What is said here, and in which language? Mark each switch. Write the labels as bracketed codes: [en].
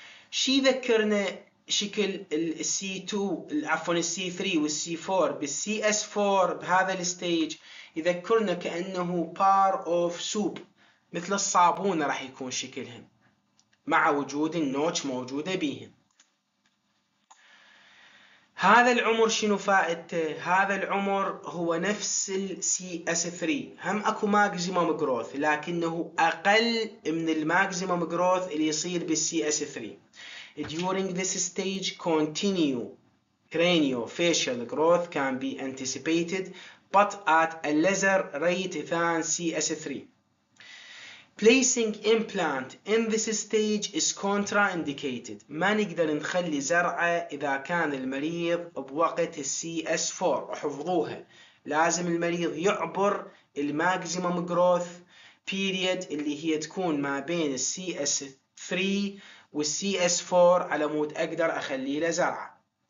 [ar] شي ذكرنا شكل السي 2 عفوا السي 3 والسي 4 بالسي اس 4 بهذا الستيج؟ يذكرنا كانه بار اوف سوب، مثل الصابونه راح يكون شكلهم مع وجود النوتش موجوده بيهم. هذا العمر شنو فائدته؟ هذا العمر هو نفس السي اس 3، هم اكو ماكسيمم جروث لكنه اقل من الماكسيمم جروث اللي يصير بالسي اس 3. [en] During this stage, continue craniofacial growth can be anticipated but at a lesser rate than CS3. Placing implant in this stage is contraindicated. [ar] ما نقدر نخلي زرعه اذا كان المريض بوقت CS4 وحفظوها. لازم المريض يعبر الماكسيمم جروث بيريد اللي هي تكون ما بين CS3 والCS4 على مود اقدر اخلي له زرعه.